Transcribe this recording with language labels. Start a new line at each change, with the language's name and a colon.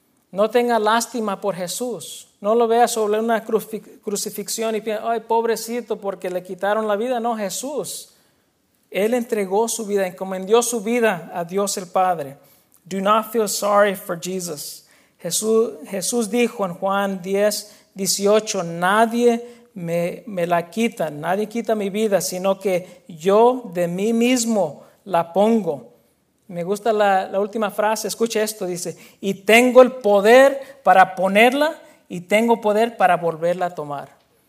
Spanish: No tenga lástima por Jesús. No lo vea sobre una crucifixión y piensa, ay, pobrecito, porque le quitaron la vida. No, Jesús. Él entregó su vida, encomendó su vida a Dios el Padre.
English: Do not feel sorry for Jesus.
Spanish: Jesús dijo en Juan 10, 18, nadie me la quita, nadie quita mi vida, sino que yo de mí mismo la pongo. Me gusta la última frase, escucha esto, dice, y tengo el poder para ponerla y tengo poder para volverla a tomar.